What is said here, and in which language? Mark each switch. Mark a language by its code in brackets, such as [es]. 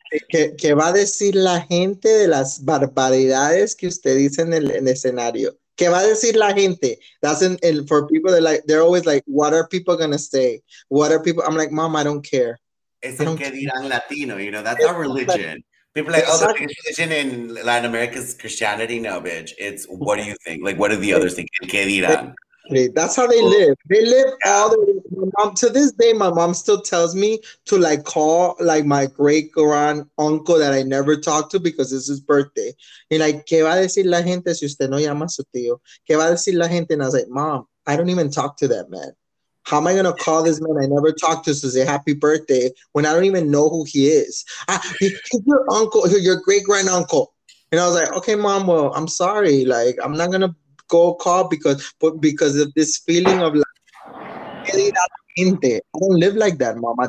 [es] Que va a decir la gente de las barbaridades que usted dice en el escenario? Que va a decir la gente? [en] That's in for people that like, they're always like, what are people going to say? What are people? I'm like, mom, I don't care. [es] Es el que dirán Latino, [en] you know, that's our religion. People are like, oh, the religion in Latin America is Christianity. No, bitch. It's what do you think? Like, what do the others think? [es] El que dirán. [en] That's how they live. They live all the way. My mom, to this day, my mom still tells me to like call like my great grand uncle that I never talked to because it's his birthday. And like, [es] ¿qué va a decir la gente si usted no llama a su tío? ¿Qué va a decir la gente? [en] And I was like, mom, I don't even talk to that man. How am I going to call this man I never talked to say happy birthday when I don't even know who he is? He's your uncle, your great grand uncle. And I was like, okay, mom, well, I'm sorry. Like, I'm not going to go call because of this feeling of like, I don't live like that, mama.